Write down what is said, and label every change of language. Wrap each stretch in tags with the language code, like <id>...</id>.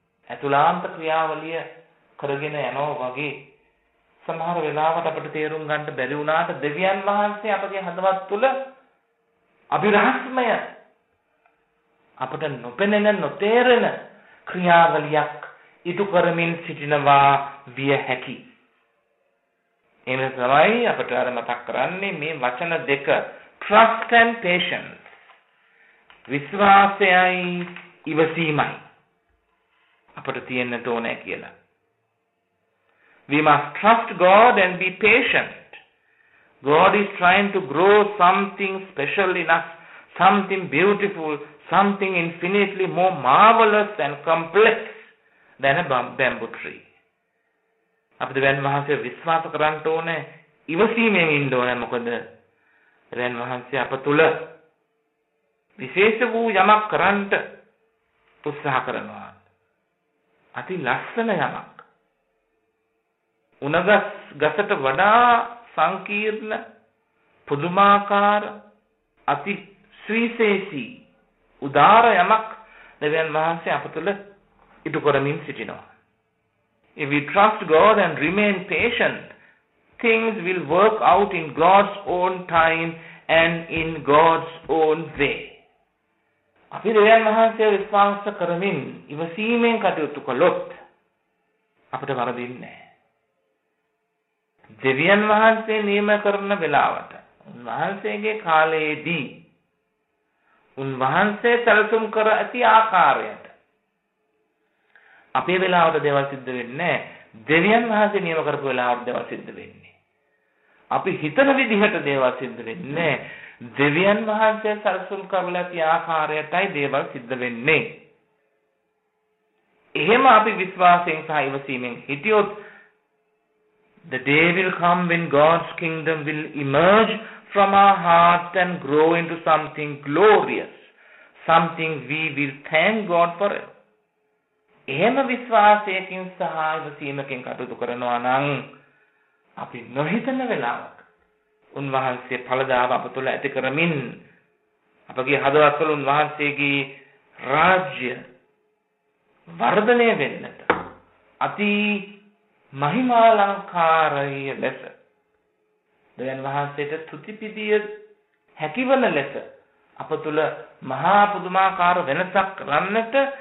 <si>ඇතුළාන්ත ක්‍රියාවලිය කරගෙන යනවා වගේ සමහර වෙලාවට අපිට තේරුම් ගන්න බැරි වුණාට දෙවියන් වහන්සේ අපගේ හදවත් තුළ අභිරහස්මය, අපට නොපෙනෙන නොතේරෙන ක්‍රියාවලියක් ඉදු කරමින් සිටිනවා විය හැකි. එහෙම තමයි අපට අර මතක් කරන්නේ මේ වචන දෙක,</si> <en>trust and patience,</en> <si>විශ්වාසයයි ඉවසීමයි අපට තියෙන්න ඕනේ කියලා.</si> <en>We must trust God and be patient. God is trying to grow something special in us, something beautiful, something infinitely more marvelous and complex than a bamboo tree.</en> <si>අපි දෙවියන් වහන්සේ විශ්වාස කරන්න ඕනේ, ඉවසීමෙන් ඉන්න ඕනේ. මොකද දෙවියන් වහන්සේ අප තුල විශේෂ වූ යමක් කරන්න උත්සාහ කරනවා. අති ලස්සන යමක්, උණගස් ගසට වඩා සංකීර්ණ, පුදුමාකාර, අති ශ්‍රීසේසී උදාර යමක් දෙවියන් වහන්සේ අප තුළ ඉටු කරමින් සිටිනවා.</si> <en>If we trust God and remain patient, things will work out in God's own time and in God's own way.</en> <si>අපි දෙවියන් වහන්සේ විශ්වාස කරමින් ඉවසීමෙන් කටයුතු කළොත් අපිට වරදින්නේ නැහැ. දෙවියන් වහන්සේ නියම කරන වෙලාවට, උන්වහන්සේගේ කාලයේදී, උන්වහන්සේ සැලසුම් කර ඇති ආකාරයට අපේ වෙලාවට දේවල් සිද්ධ වෙන්නේ නැහැ. දෙවියන් වහන්සේ නියම කරපු වෙලාවට දේවල් සිද්ධ වෙන්නේ. අපි හිතන විදිහට දේවල් සිද්ධ වෙන්නේ නැහැ. දෙවියන් වහන්සේ සැලසුම් කරලා ඇති ආකාරයටයි දේවල් සිද්ධ වෙන්නේ. එහෙම අපි විශ්වාසයෙන් සහ ඉවසීමෙන් හිටියොත්</si> <en>The day will come when God's kingdom will emerge from our heart and grow into something glorious, something we will thank God for it.</en> <si>එහෙම විශ්වාසයකින් සහ ඉවසීමකින් කටයුතු කරනවා නම් අපි නොහිතන වෙලාවක උන්වහන්සේ ඵලදාව අප තුළ ඇති කරමින් අපගේ හදවත්වල උන්වහන්සේගේ රාජ්‍ය වර්ධනය වෙන්නට අති මහිමාලංකාරය ලෙස දෙවියන් වහන්සේට ස්තුතිපිදිය හැකිවන ලෙස අප තුළ මහා පුදුමාකාර වෙනසක් කරන්නට</si>